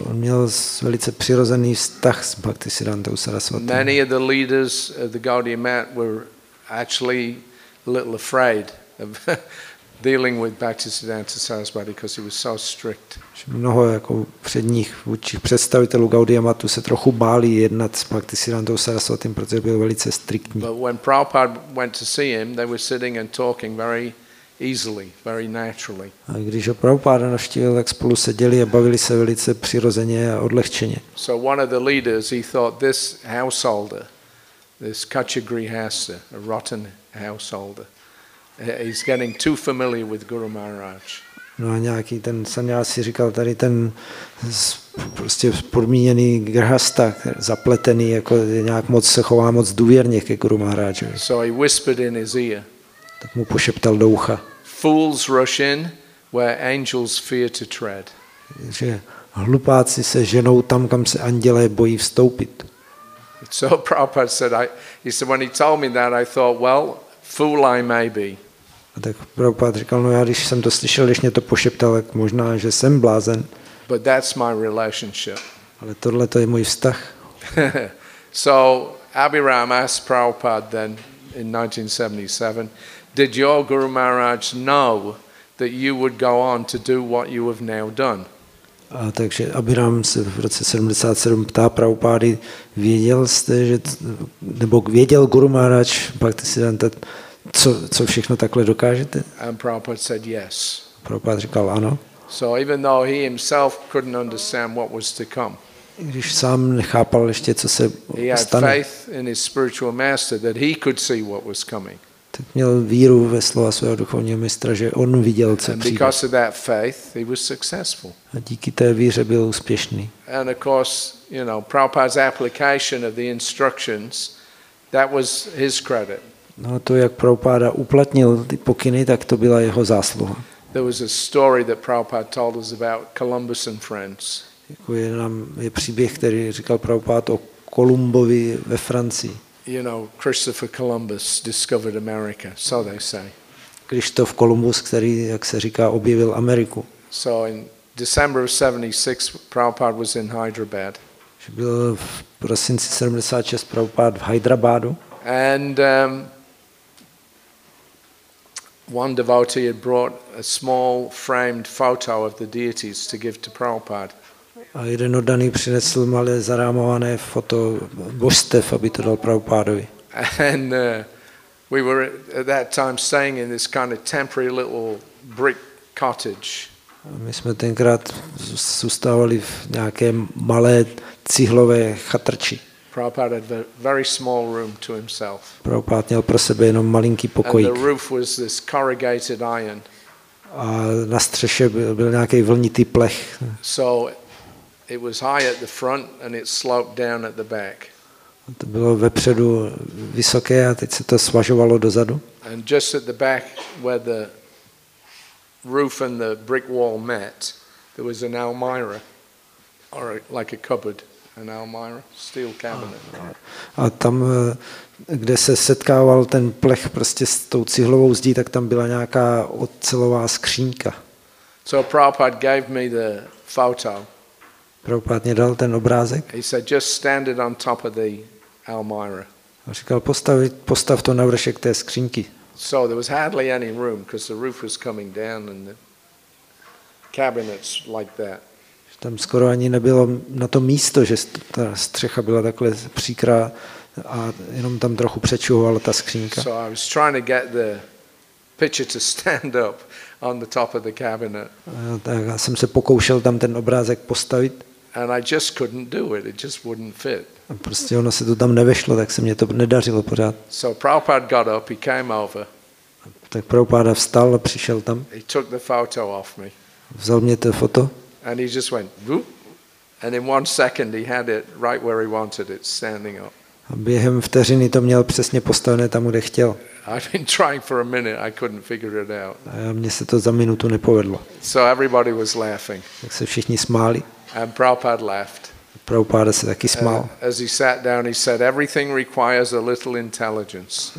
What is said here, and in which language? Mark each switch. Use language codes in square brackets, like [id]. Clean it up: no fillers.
[cs] On měl velice přirozený vztah s Bhaktisiddhantou Saraswati. [en] Many of the leaders of the Gaudiya Math were actually a little afraid of dealing with Bhaktisiddhanta Saraswati because he was so strict. [cs] Mnoho jako předních vůdčích představitelů Gaudiya Mathu se trochu báli jednat s Bhaktisiddhantou Saraswati, protože byl velice striktní. [en] But when Prabhupada went to see him, they were sitting and talking very easily, very naturally. [cs] A když ho Prabhupada navštívil, tak spolu seděli a bavili se velice přirozeně a odlehčeně. [en] So one of the leaders, he thought this householder, this Kachagrihasta, a rotten householder, he's getting too familiar with Guru Maharaj. [cs] No a nějaký ten sannyasi říkal, tady ten prostě podmíněný grhasta, zapletený, jako nějak moc se chová moc důvěrně ke Guru Maharajovi. [en] So I whispered in his ear. [cs] Tak mu pošeptal do ucha. [en] Fools rush in where angels fear to tread. [cs] Že hlupáci se ženou tam, kam se andělé bojí vstoupit. [en] So Prabhupada said, he said when he told me that, I thought, well, fool I may be. [cs] A tak Prabhupada říkal, no já když jsem to slyšel, když mě to pošeptal, tak možná, že jsem blázen. [en] But that's my relationship. [cs] Ale tohle to je můj vztah. [en] So Abhiram asked Prabhupada then in 1977, did your Guru Maharaj know that you would go on to do what you have now done? [cs] A takže Abhiram se v roce 77 ptá Prabhupády, věděl jste, že, nebo věděl Guru Maharaj, pak ty si dám tak, co všechno takhle dokážete? [en] And Prabhupada said yes. [cs] Prabhupád říkal ano. [en] So even though he himself couldn't understand what was to come. [cs] Když sám nechápal ještě, co se stane. [en] He had faith in his spiritual master that he could see what was coming. [cs] Tak měl víru ve slova svého duchovního mistra, že on viděl, co přijde. [en] Because of that faith, he was successful. [cs] A díky té víře byl úspěšný. [en] And of course, you know, Prabhupada's application of the instructions, that was his credit. [cs] No a to, jak Prabhupada uplatnil ty pokyny, tak to byla jeho zásluha. [en] There was a story that Prabhupada told us about Columbus and friends. [cs] Je příběh, který říkal Prabhupada o Kolumbovi ve Francii. [en] You know, Christopher Columbus discovered America, so they say. [cs] Kristof Kolumbus, který, jak se říká, objevil Ameriku. [en] So in December of 76, Prabhupada was in Hyderabad. [cs] Byl v prosinci 76 Prabhupada v Hyderabadu. [en] And one devotee had brought a small framed photo of the deities to give to Prabhupada. [cs] A jeden oddaný přinesl malé zarámované foto božstev, aby to dal Prabhupádovi. [en] And we were at that time staying in this kind of temporary little brick cottage. [cs] My jsme tenkrát zůstávali v nějaké malé cihlové chatrči. [en] Prabhupada had a very small room to himself. [cs] Prabhupád měl pro sebe jenom malinký pokojík. [en] And the roof was this corrugated iron. [cs] A na střeše byl nějaký vlnitý plech. [en] So it was high at the front and it sloped down at the back. [cs] To bylo vepředu vysoké a teď se to svažovalo dozadu. [en] And just at the back where the roof and the brick wall met, there was an almirah, or like a cupboard, an almirah, steel cabinet. [cs] A tam, kde se setkával ten plech prostě s tou cihlovou zdí, tak tam byla nějaká ocelová skřínka. [en] So Prabhupada gave me the photo. [cs] Prabhupád mě dal ten obrázek. [en] He said, just stand it on top of the almirah. [cs] A říkal, postav to na vršek té skřínky. [en] So there was hardly any room because the roof was coming down and the cabinets like that. [cs] Tam skoro ani nebylo na to místo, že ta střecha byla takhle příkrá a jenom tam trochu přečuhovala ta skřínka. [en] So I was trying to get the picture to stand up on the top of the cabinet. [cs] Tak já jsem se pokoušel tam ten obrázek postavit. [en] And I just couldn't do it. It just wouldn't fit. [cs] A prostě ono se to tam nevešlo, tak se mě to nedařilo pořád. [en] So Prabhupada got up, he came over. [cs] Tak Prabhupada vstal a přišel tam. [en] He took the photo off me. [cs] Vzal mě to foto. [en] And he just went whoop. And in one second he had it right where he wanted it, standing up. [cs] A během vteřiny to měl přesně postavené tam, kde chtěl. [en] I've been trying for a minute, I couldn't figure it out. [cs] A mně se to za minutu nepovedlo. [en] So everybody was laughing. [cs] Tak se všichni smáli. [en] And Prabhupada laughed. [cs] Prabhupada se taky smál. [en] As he sat down, he said, everything requires a little intelligence.